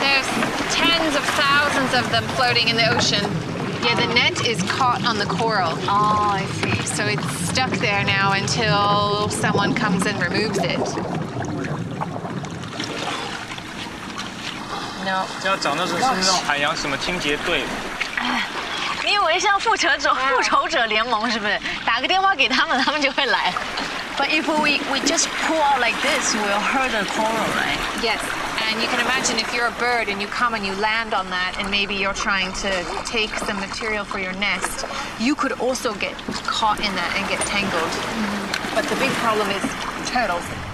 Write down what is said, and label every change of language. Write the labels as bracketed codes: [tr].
[en] There's tens of thousands of them floating in the ocean. Yeah, the net is caught on the coral. Oh, I see. So it's stuck there now until someone comes and removes it. No. [zh] 要找那种是那种海洋什么清洁队。你以为像复仇者联盟是不是？打个电话给他们，他们就会来。 [en] But if we just pull out like this, we'll hurt the coral, right? Yes. And you can imagine if you're a bird and you come and you land on that, and maybe you're trying to take some material for your nest. You could also get caught in that and get tangled. Mm-hmm. But the big problem is turtles.